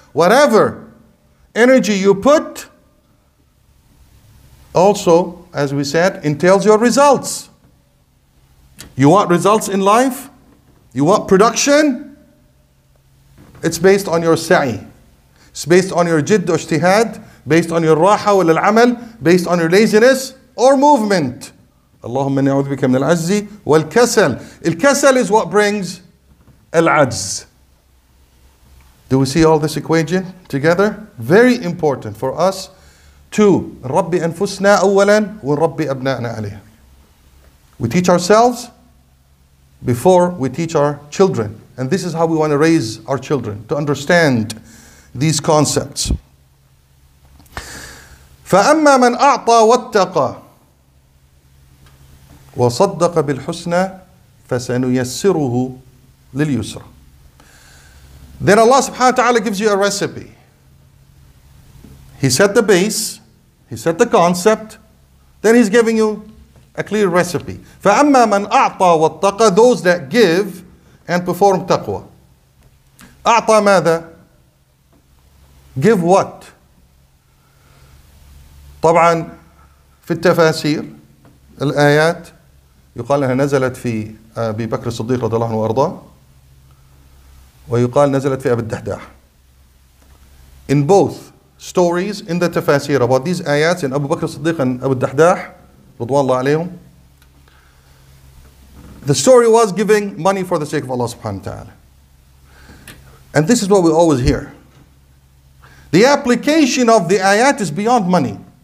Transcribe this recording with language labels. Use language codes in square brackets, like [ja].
[en] Whatever energy you put also, as we said, entails your results. You want results in life? You want production? It's based on your sa'i. It's based on your jidd ujtihad, based on your raha wal al-amal, based on your laziness or movement. [ar] اللهم إني أعوذ بك من العجز والكسل. [en] الكسل is what brings العجز. Do we see all this equation together? Very important for us to [ar] ربي أنفسنا أولا وربي أبنائنا عليه. [en] We teach ourselves before we teach our children. And this is how we want to raise our children, to understand these concepts. [ar] فَأَمَّا مَنْ أَعْطَى وَاتَّقَى وَصَدَّقَ بِالْحُسْنَى فَسَنُيَسِّرُهُ لِلْيُسْرَى. [en] Then Allah subhanahu wa ta'ala gives you a recipe. He set the base, he set the concept, then he's giving you a clear recipe. [ar] فَأَمَّا مَنْ أَعْطَى وَاتَّقَى, [en] those that give and perform taqwa. [ar] أَعْطَى مَاذَا, [en] give what? [ar] طبعاً في التفاسير الآيات يقال أنها نزلت في أبي بكر الصديق رضي الله عنه وأرضاه, ويقال نزلت في أبي الدحداح. [en] In both stories in the tafasir about these ayats in Abu Bakr as-Siddiq and Abu al-Dahdah [ar] رضوان الله عليهم, [en] the story was giving money for the sake of Allah subhanahu wa ta'ala. And this is what we always hear. The application of the ayat is beyond money.